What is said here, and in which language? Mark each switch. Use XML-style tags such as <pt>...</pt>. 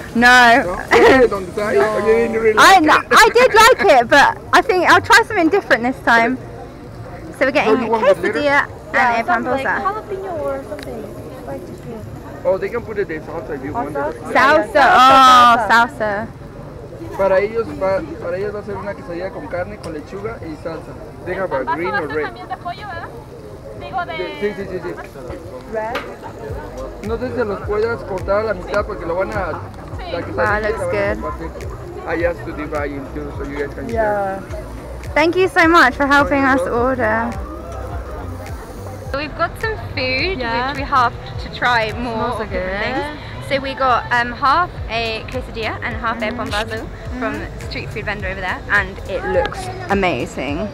<en>No. No. You didn't really like it? I did like it, but I think I'll try something different this time. So we're getting a quesadilla and a pambosa. Jalapeno or something. Oh, they can put it in salsa if you want. Salsa. Oh, salsa.</en> <es>Para ellos va a ser una quesadilla con carne, con lechuga y salsa.</es> <en>They have a green or red.</en> <es>Sí.</es> <en>Red.</en> <es>No sé si los puedas cortar a la mitad porque lo van a.</es> <en>Ah, looks good. I asked to divide in two so you guys can share. Thank you so much for helping us order. So we've got some food which we have to try more of different things. So we got half a quesadilla and half a pan bazo from the street food vendor over there, and it looks amazing.</en>